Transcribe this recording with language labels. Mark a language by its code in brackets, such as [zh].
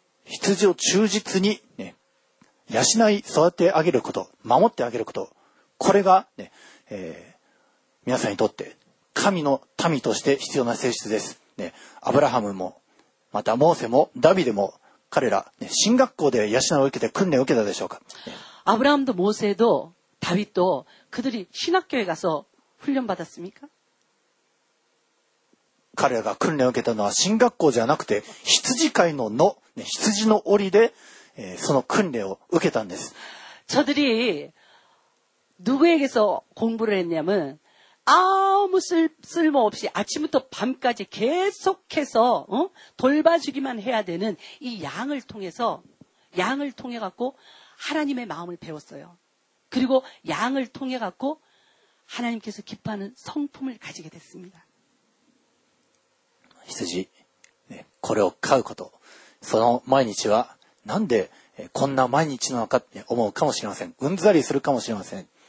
[ja] 羊を忠実に養い、育てあげること、守ってあげること、これが、ね皆さんにとって神の民として必要な性質です。ね、アブラハムも、またモーセも、ダビデも、彼ら、ね、神学校で養いを受けて訓練を受けたでしょうか。アブラハムとモーセと [ko] 다윗도 그들이 신학교에 가서 훈련 받았습니까? [ja] 彼らが 訓練を 受けたのは 神学校じゃなくて 羊飼いの野 羊の檻で その 訓練を 受けたんです. [ko] 저들이 누구에게서 공부를 했냐면 아무 쓸모 없이 아침부터 밤까지 계속해서 돌봐주기만 해야 되는 이 양을 통해서 양을 통해 갖고 하나님의 마음을 배웠어요. 그리고 양을 통해 갖고 하나님께서 기뻐하는 성품을 가지게 됐습니다. [ja] 羊、これを飼うこと、その毎日はなんでこんな毎日なのかって思うかもしれません。うんざりするかもしれません。